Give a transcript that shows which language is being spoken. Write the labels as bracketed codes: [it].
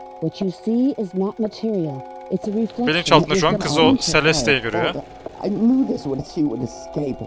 [en] What you see is not material. It's a reflection. [tr] Bilinçaltında şu an kız o Celeste'yi görüyor. [en] I knew this when she would escape.